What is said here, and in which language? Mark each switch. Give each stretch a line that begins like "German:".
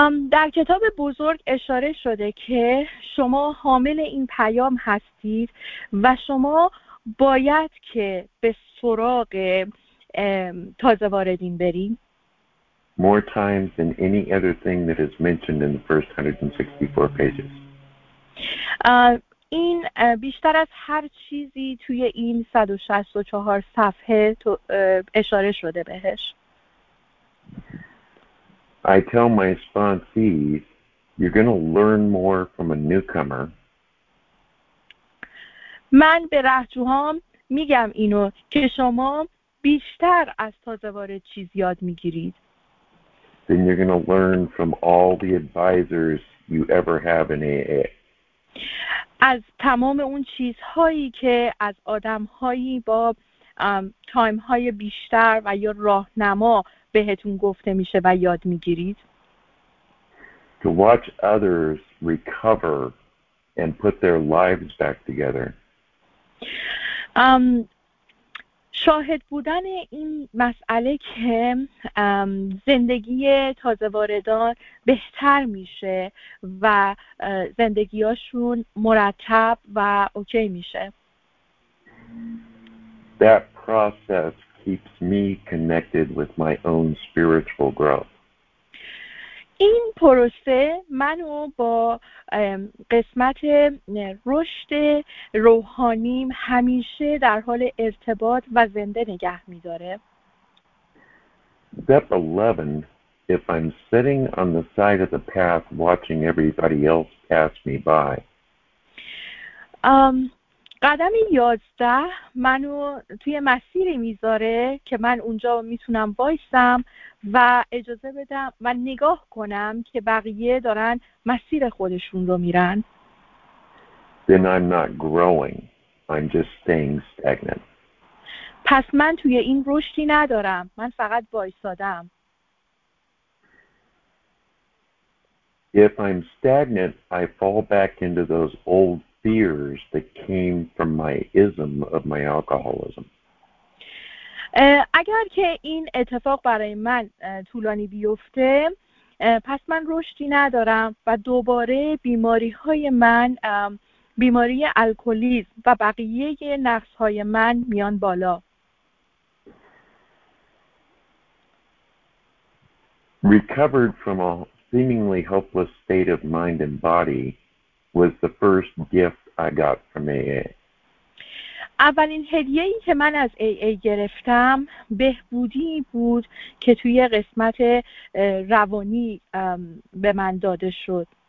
Persian: در کتاب بزرگ اشاره شده که شما حامل این پیام هستید و شما باید که به سراغ تازه واردین برید.
English: More times than any other thing that is mentioned in the first 164 pages.
Persian: این بیشتر از هر چیزی توی این 164 صفحه اشاره شده بهش.
English: I tell my sponsees, you're going to learn more from a newcomer.
Persian: من به رهجوهام میگم اینو که شما بیشتر از تازه وارد چیز یاد میگیرید.
English: Then you're going to learn from all the advisors you ever have in AA.
Persian: از تمام اون چیزهایی که از آدمهایی با تایمهای بیشتر و یا راهنما بهتون گفته میشه و یاد میگیرید.
English: To watch others recover and put their lives back together.
Persian: شاهد بودن این مسئله که زندگی تازه واردان بهتر میشه و زندگیاشون مرتب و اوکی میشه.
English: That process keeps me connected with my own spiritual growth.
Persian: این پروسه منو با قسمت رشد روحانیم همیشه در حال ارتباط و زنده نگه می‌داره.
English: Step 11, if I'm sitting on the side of the path watching everybody else pass me by.
Persian: قدم 11 منو توی مسیری میذاره که من اونجا میتونم وایستم و اجازه بدم و نگاه کنم که بقیه دارن مسیر خودشون رو میرن.
English: Then I'm not growing. I'm just staying stagnant.
Persian: پس من توی این رشدی ندارم. من فقط وایستادم.
English: If I'm stagnant, I fall back into those old fears that came from my ism of my alcoholism.
Persian: اگر که این اتفاق برای من طولانی بیفته، پس من رشدی ندارم و دوباره بیماری های من، بیماری الکلیسم و بقیه نقص های من میان بالا.
English: Recovered from a seemingly hopeless state of mind and body was the first gift I got from AA.
Persian: اولین هدیه‌ای که من از AA گرفتم بهبودی بود که توی قسمت روانی به من داده شد.